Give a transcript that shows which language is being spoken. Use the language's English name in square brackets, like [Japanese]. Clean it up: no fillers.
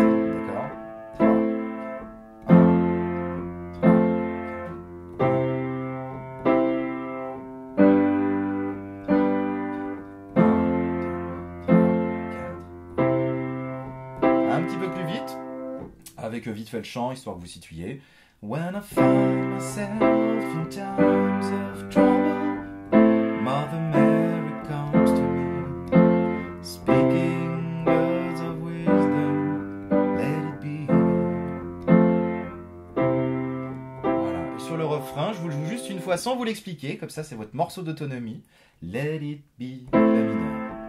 [French] D'accord ? 3, 1, 3, 1, 1, 3, 4. Un petit peu plus vite, avec vite fait le chant, histoire que vous situiez. [English] When I find myself in times of trouble. Mother Mary comes to me, speaking words of wisdom, let it be. [French] Voilà, et sur le refrain, je vous le joue juste une fois sans vous l'expliquer, comme ça c'est votre morceau d'autonomie. [English] Let it be, [French] la mineur.